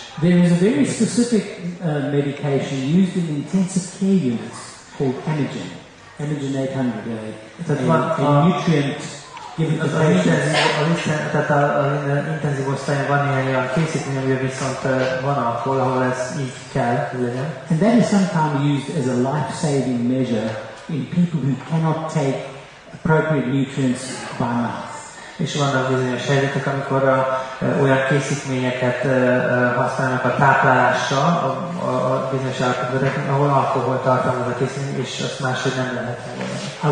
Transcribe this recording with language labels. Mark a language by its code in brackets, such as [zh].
[en] There is a very specific medication used in intensive care units called Emigen. Emigen 800. A nutrient. [hu] Intenzív osztályon van néhány olyan készítmény, amivel viszont van alkohol, ahol ez így kell. [en] And that is sometimes used as a life-saving measure in people who cannot take appropriate nutrients by mouth. [hu] És vannak bizonyos helyzetek, amikor olyan készítményeket használnak a táplálásra, a bizonyos állapotban, ahol alkohol tartalmaz a készítmény, és azt máshogy nem lehet volna.